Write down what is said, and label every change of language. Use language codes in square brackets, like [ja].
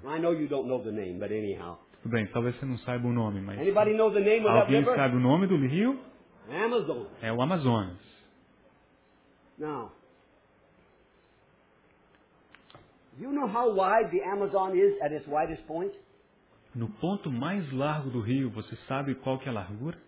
[pt] Tudo bem, talvez você não saiba o nome, mas alguém sabe o nome do rio? É o Amazonas. [en] Now, you know how wide the Amazon is at its widest point? [pt] No ponto mais largo do rio, você sabe qual que é a largura?